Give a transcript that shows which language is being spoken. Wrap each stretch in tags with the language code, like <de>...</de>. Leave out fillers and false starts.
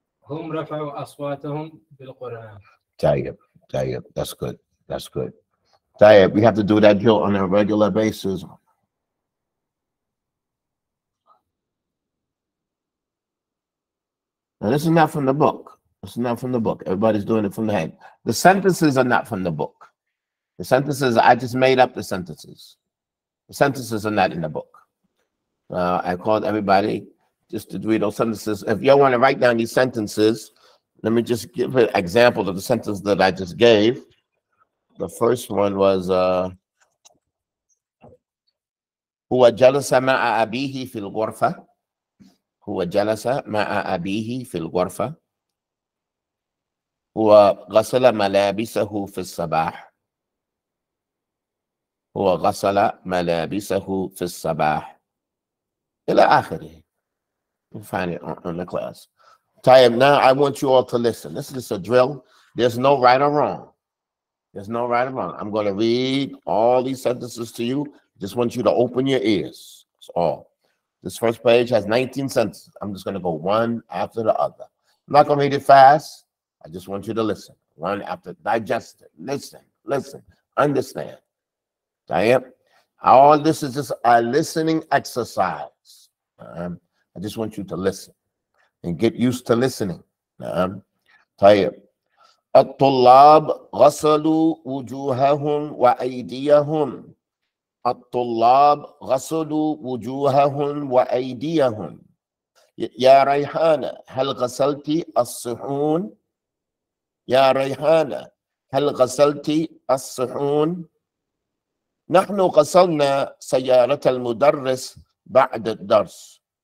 <ar>هم رفعوا أصواتهم بالقرآن.</ar> <en>طيب. That's good. طيب, we have to do that drill on a regular basis. Now, this is not from the book. It's not from the book. Everybody's doing it from the head. The sentences are not from the book. The sentences, I just made up the sentences. The sentences are not in the book. I called everybody just to read those sentences. If y'all want to write down these sentences, let me just give an example of the sentence that I just gave. The first one was,</en> <ar>هو جلس مع أبيه في الغرفة. هو جلس مع أبيه في الغرفة. هو غسل ملابسه في الصباح. هو غسل ملابسه في الصباح. إلى آخره.</ar> <en>We'll find it on the class. Time now, I want you all to listen. This is just a drill. There's no right or wrong. There's no right or wrong. I'm going to read all these sentences to you. Just want you to open your ears. That's all. This first page has 19 sentences. I'm just going to go one after the other. I'm not going to read it fast. I just want you to listen. One after, digest it. Listen. Understand. Diane, all this is just a listening exercise. I just want you to listen and get used to listening.</en> <ar>Diane, الطلاب غسلوا وجوههم وأيديهم. الطلاب غسلوا وجوههم وأيديهم. يا ريحانة هل غسلت الصحون؟ يا ريحانة هل غسلت الصحون؟ نحن غسلنا سيارة المدرس بعد الدرس.</ar>